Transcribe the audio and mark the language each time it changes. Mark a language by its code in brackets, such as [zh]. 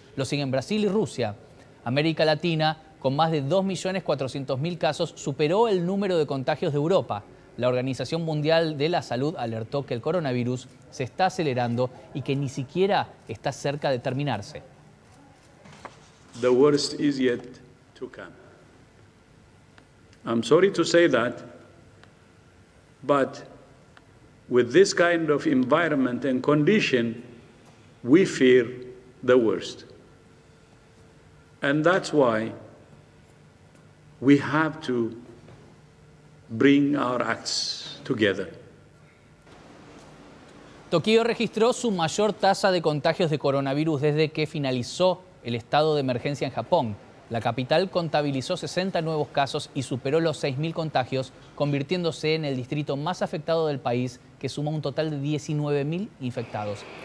[es] Lo siguen Brasil y Rusia. América Latina, con más de 2.400.000 casos, superó el número de contagios de Europa. La Organización Mundial de la Salud alertó que el coronavirus se está acelerando y que ni siquiera está cerca de terminarse. [en] The worst is yet to come. I'm sorry to say that, but with this kind of environment and condition, we fear the worst. And that's why we have to bring our acts together. [es] Tokio registró su mayor tasa de contagios de coronavirus desde que finalizó el estado de emergencia en Japón. La capital contabilizó 60 nuevos casos y superó los 6.000 contagios, convirtiéndose en el distrito más afectado del país, que sumó un total de 19.000 infectados.